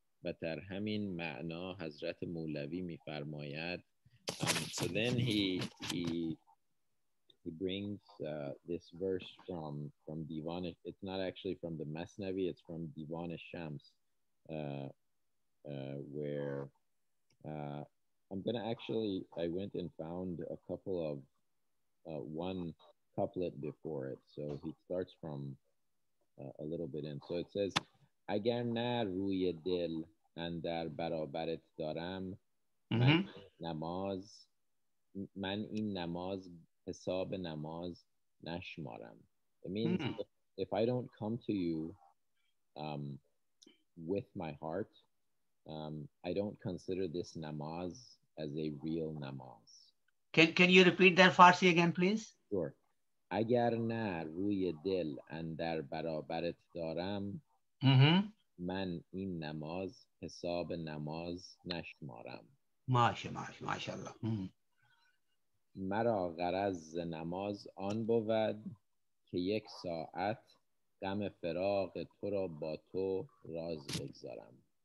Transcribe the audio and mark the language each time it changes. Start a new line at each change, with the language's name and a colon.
English: But
Persian: در همین معنا حضرت مولوی میفرماید.
English: So then he brings this verse from Divan. It's not actually from the Mathnawi. It's from Divan Shams, where I'm gonna actually I went and found a couple of one couplet before it. So he starts from a little bit in. So it says,
Persian: اگر نه روی دل اندر برابرت دارم من این نماز حساب نماز نشمارم.
English: It means if I don't come to you with my heart, I don't consider this namaz as a real namaz. Can you repeat that Farsi again, please? Sure.
Persian: اگر نه روی دل اندر برابرت دارم من این نماز حساب نماز نشمارم. ماشاءالله. مرا غرض نماز آن بود که یک ساعت غم فراق تو را با تو راز بگذارم.